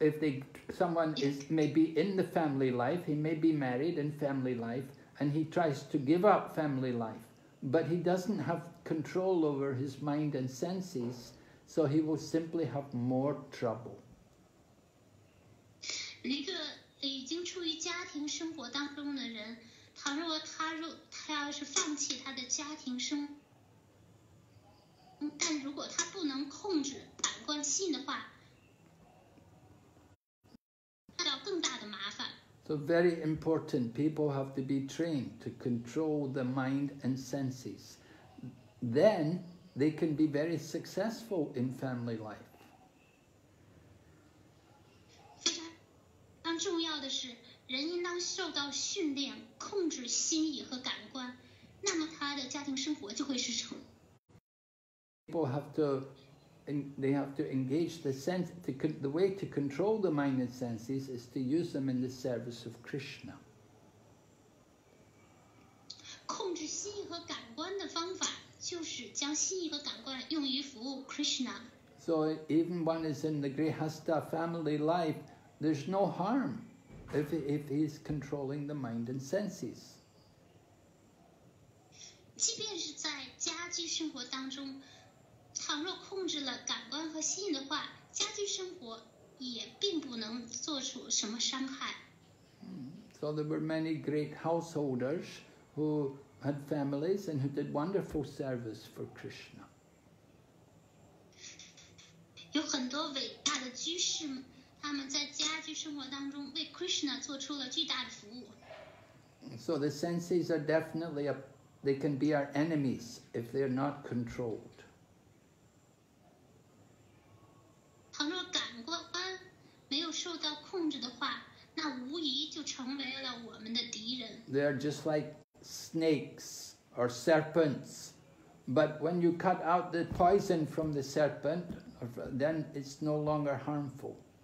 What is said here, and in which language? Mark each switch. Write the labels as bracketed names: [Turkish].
[English] If someone is maybe in the family life, he may be married in family life, and he tries to give up family life, but he doesn't have control over his mind and senses. So he will simply have more trouble. [Chinese] 一个已经处于家庭生活当中的人，倘若他要是放弃他的家庭生，但如果他不能控制感官心的话，遇到更大的麻烦。 [English] So very important. People have to be trained to control the mind and senses. Then. They can be very successful in family life. [Chinese] 非常重要的是，人应当受到训练，控制心意和感官，那么他的家庭生活就会是成。 [English] People have to engage the sense to the way to control the mind and senses is to use them in the service of Krishna. [Chinese] 控制心意和感官的方法。就是将心意和感官用于服务 Krishna. [English] So even one is in the Grihastha family life, there's no harm if he's controlling the mind and senses. [Chinese] 即便是在家居生活当中，倘若控制了感官和心意的话，家居生活也并不能做出什么伤害。 [English] So there were many great householders who had families and who did wonderful service for Krishna. [Chinese] 有很多伟大的居士，他们在家居生活当中为 Krishna 做出了巨大的服务。 [English] So the senses are definitely a, they can be our enemies if they're not controlled. [Chinese] 倘若感官没有受到控制的话，那无疑就成为了我们的敌人。 [English] They are just like snakes or serpents. But when you cut out the poison from the serpent, then it's no longer harmful.